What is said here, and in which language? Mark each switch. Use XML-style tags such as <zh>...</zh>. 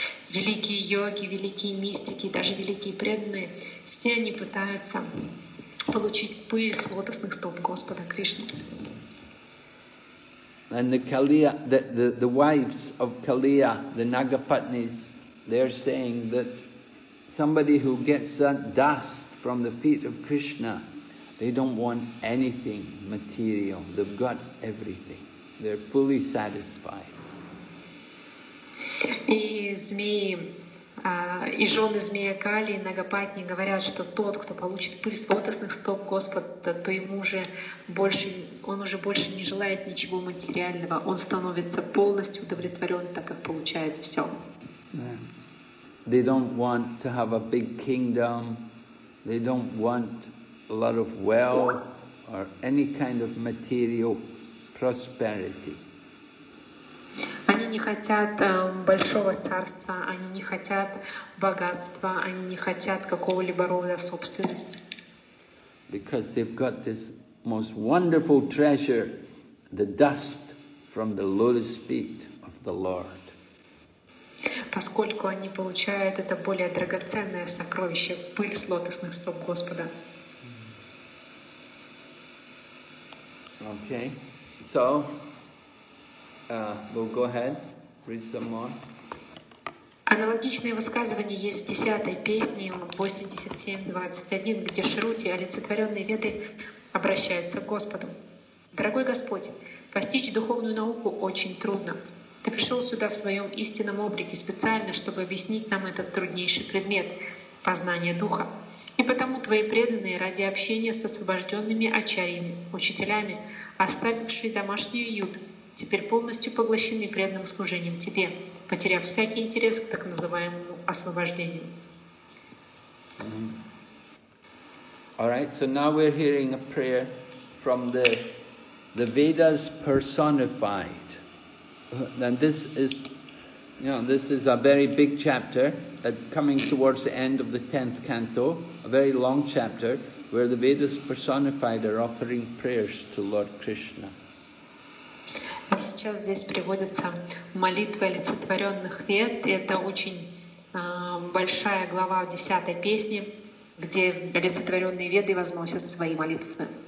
<ru>Великие йоги, великие мистики, даже великие преданные, все они пытаются получить пыль с лотосных стоп Господа Кришны.</ru> <en>And the Kaliya, the wives of Kaliya, the Nagapatnis, they're saying that somebody who gets that dust from the feet of Krishna, they don't want anything material. They've got everything. They're fully satisfied.</en> <ru>И змеи, и жены змея Кали и Нагапатни говорят, что тот, кто получит пыль с лотосных стоп Господа, то ему уже больше, он уже больше не желает ничего материального. Он становится полностью удовлетворен, так как получает все.</ru> <en>They don't want to have a big kingdom. They don't want a lot of wealth or any kind of material prosperity.</en> <ru>Они не хотят большого царства, они не хотят богатства, они не хотят какого-либо рода собственности.</ru> <en>Because they've got this most wonderful treasure, the dust from the lotus feet of the Lord.</en> <ru>Поскольку они получают это более драгоценное сокровище, пыль с лотосных стоп Господа.</ru> <en>Okay. So, we'll go ahead, read some more.</en> <ru>Аналогичные высказывания есть в 10-й песне 87.21, где Шрути, олицетворенные Веды, обращаются к Господу. Дорогой Господь, постичь духовную науку очень трудно. Ты пришел сюда в своем истинном облике специально, чтобы объяснить нам этот труднейший предмет — познание Духа. И потому твои преданные ради общения с освобожденными ачарьями, учителями, оставившие домашний уют, теперь полностью поглощены преданным служением тебе, потеряв всякий интерес к так называемому освобождению. Mm-hmm.</ru> <en>All right, so now we're hearing a prayer from the Vedas personified. And this is, you know, this is a very big chapter, coming towards the end of the 10th canto, a very long chapter, where the Vedas personified are offering prayers to Lord Krishna.</en> <ru>И сейчас здесь приводится молитва олицетворенных Вед, это очень большая глава в 10-й песне, где олицетворенные Веды возносят свои молитвы.</ru>